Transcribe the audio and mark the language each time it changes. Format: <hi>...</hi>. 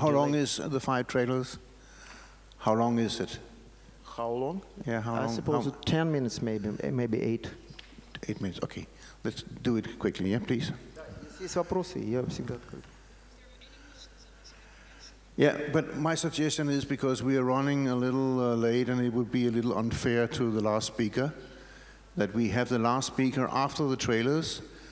<en>How long is the 5 trailers? How long is it? How long? Yeah, how long? I suppose 10 minutes maybe 8. 8 minutes, okay. Let's do it quickly, yeah, please.</en> <ru>Есть вопросы, я всегда открыт.</ru> <en>Yeah, but my suggestion is because we are running a little late and it would be a little unfair to the last speaker that we have the last speaker after the trailers.</en>